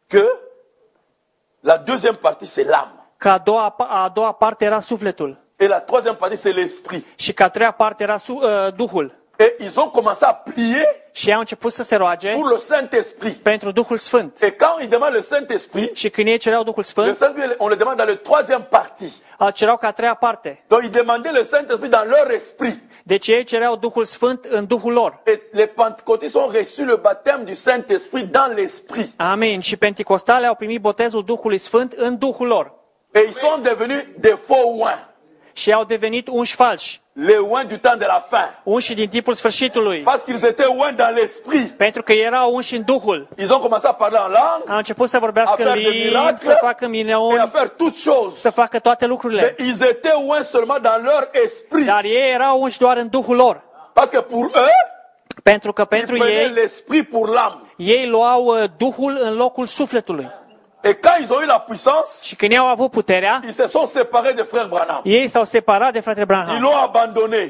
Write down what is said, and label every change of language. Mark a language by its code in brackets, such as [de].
[fr] Que la deuxième partie c'est l'âme. [ro] Că a doua parte era sufletul. [fr] Et la troisième partie c'est l'esprit. [ro] Și că a treia parte era duhul. [fr] Et ils ont commencé à prier. [ro] Și au început să se roage. [fr] Pour le Saint-Esprit. [ro] Pentru Duhul Sfânt. [fr] Et quand ils demandent le Saint-Esprit. [ro] Și când ei cereau Duhul Sfânt. [fr] Le Saint-Esprit, on le demande dans la troisième partie. [ro] Cereau ca a treia parte. [fr] Donc ils demandaient le Saint-Esprit dans leur esprit. [ro] Deci ei cereau Duhul Sfânt în duhul lor. [fr] Et les pentecôtistes ont reçu le baptême du Saint-Esprit dans l'esprit. Amen. [ro] Și penticostalii au primit botezul Duhului Sfânt în duhul lor. [fr] Et ils sont devenus des faux oints. [ro] Și au devenit unși falși. [fr] Les oints du temps de la fin. [ro] Unși din timpul sfârșitului. [fr] Parce qu'ils étaient oints dans l'esprit. [ro] Pentru că erau unși în duhul. [fr] Ils ont commencé à parler en langue. [ro] Au început să vorbească limbi, să facă minuni. [fr] Et à faire toutes choses. [ro] Să facă toate lucrurile. [fr] Mais ils étaient oints seulement dans leur esprit. [ro] Dar ei erau unși doar în duhul lor. [fr] Parce que pour eux. [ro] Pentru că pentru ei. [fr] L'esprit pour l'âme. [ro] Ei luau duhul în locul sufletului. [fr] Et quand ils ont eu la puissance, [ro] și când au avut puterea, [fr] ils se sont séparés de frère Branham. [ro] Ei s-au separat de fratele Branham. [fr] Ils l'ont abandonné.